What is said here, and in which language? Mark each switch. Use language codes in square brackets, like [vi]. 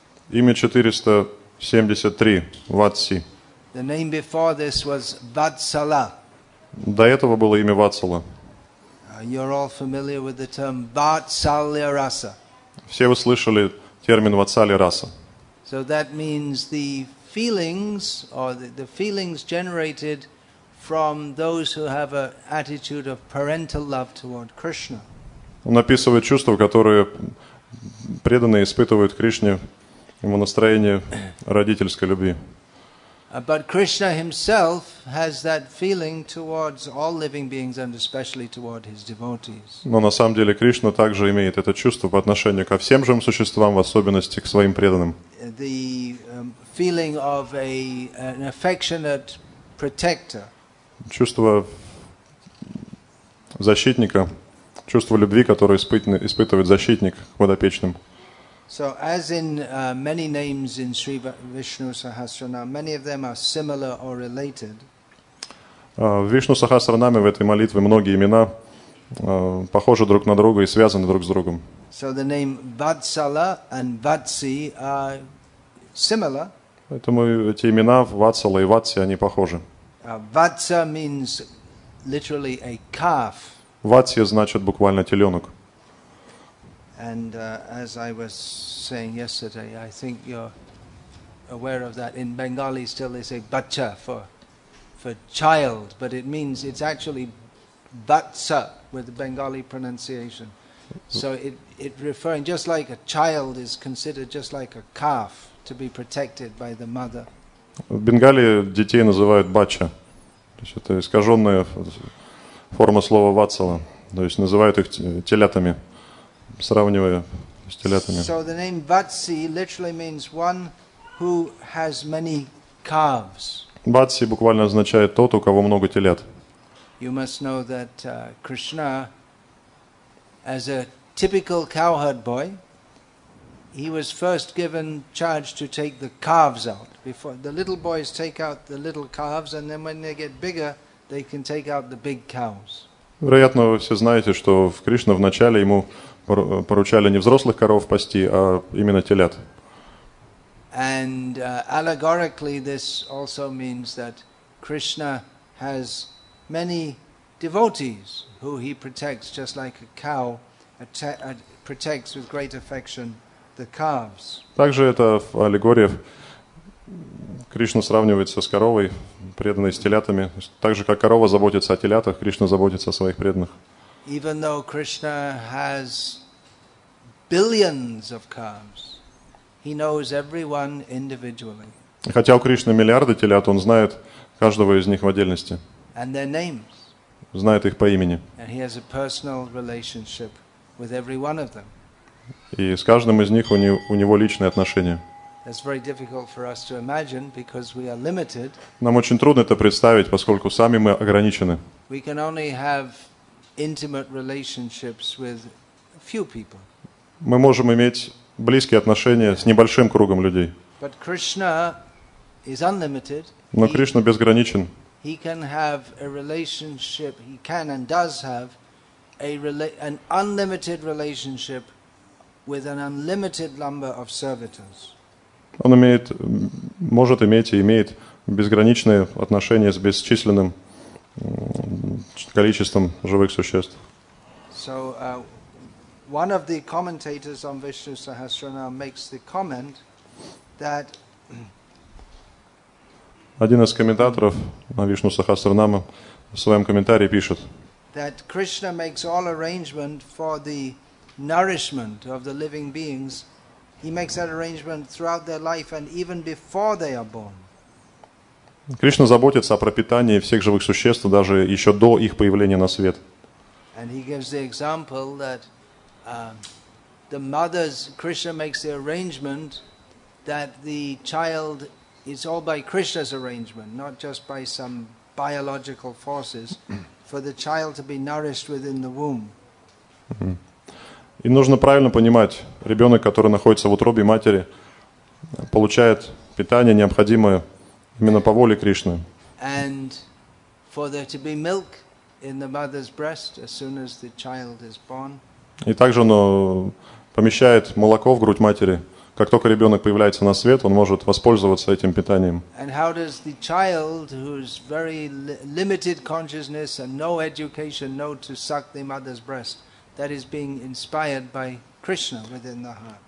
[ru] Имя 473 Vatsi. [en] The name before this was Vatsala. [ru] До этого было имя Ватсала. [en] You're all familiar with the term Vatsalya Rasa. [ru] Все вы слышали термин Ватсалья Раса. [en] So that means the feelings or the feelings generated from those who have an attitude of parental love toward Krishna. [ru] Он описывает чувства, которые преданные испытывают Кришне, ему настроение родительской любви. [en] But Krishna himself has that feeling towards all living beings and especially toward his devotees. [ru] Но на самом деле Кришна также имеет это чувство по отношению ко всем живым существам, в особенности к своим преданным. [en] The feeling of an affectionate protector. [ru] Чувство защитника, чувство любви, которое испытывает защитник к подопечным. [en] So as in many names in Sri Vishnu Sahasranam, many of them are similar or related. [ru] В Вишну Сахасранаме в этой молитве многие имена похожи друг на друга и связаны друг с другом. [en] So the name Vatsala and Vatsi are similar. [ru] Поэтому эти имена Vatsala и Vatsi, они похожи. [en] Vatsa means literally a calf. [ru] Vatsi значит буквально теленок. [en] And as I was saying yesterday, I think you're aware of that. In Bengali, still they say "bacha" for child, but it means it's actually "batsa" with the Bengali pronunciation. So it referring just like a child is considered just like a calf to be protected by the mother. [ru] В Бенгалии детей называют бача, то есть это искаженная форма слова ватсала, то есть называют их телятами. Сравнивая с телятами. [en] So the name Vatsi literally means one who has many calves. [ru] Vatsi буквально означает тот, у кого много телят. [en] You must know that Krishna, as a typical cowherd boy, he was first given charge to take the calves out. Before the little boys take out the little calves, and then when they get bigger, they can take out the big cows. [ru] Вероятно, вы все знаете, что в Кришна вначале ему поручали не взрослых коров пасти, а именно телят. [en] And allegorically this also means that Krishna has many devotees who he protects just like a cow protects with great affection the calves. [ru] Также это в аллегории Кришна сравнивается с коровой, преданной с телятами. Так же, как корова заботится о телятах, Кришна заботится о своих преданных. [en] Even though Krishna has billions of calves, he knows everyone individually. [ru] Хотя у Кришны миллиарды телят, он знает каждого из них в отдельности. [en] And their names. [ru] Знает их по имени. [en] And he has a personal relationship with every one of them. [ru] И с каждым из них у него личные отношения. [en] It's very difficult for us to imagine because we are limited. [ru] Нам очень трудно это представить, поскольку сами мы ограничены. [en] We can only have intimate relationships with few people. [ru] Мы можем иметь близкие отношения с небольшим кругом людей. [en] But Krishna is unlimited. [ru] Но Кришна безграничен. [en] He can have a relationship, he can and does have an unlimited relationship with an unlimited number of servitors. [ru] Он может иметь безграничные отношения с бесчисленным количеством живых существ. [en] So, one of the commentators on Vishnu Sahasranama makes the comment that [ru] один из комментаторов на Вишну Сахасранама в своем комментарии пишет [en] that Krishna makes all arrangement for the nourishment of the living beings. He makes that arrangement throughout their life and even before they are born. [ru] Кришна заботится о пропитании всех живых существ даже еще до их появления на свет. [en] And he gives the example that the mothers, Krishna makes the arrangement that the child is all by Krishna's arrangement, not just by some biological forces, for the child to be nourished within the womb. [ru] И нужно правильно понимать, ребенок, который находится в утробе матери, получает питание необходимое именно по воле Кришны. [en] And for there to be milk in the mother's breast as soon as the child is born. [ru] И также оно помещает молоко в грудь матери. Как только ребенок появляется на свет, он может воспользоваться этим питанием. [en] And how does the child, who's very limited consciousness and no education, know to suck the mother's breast? That is being inspired by Krishna within the heart.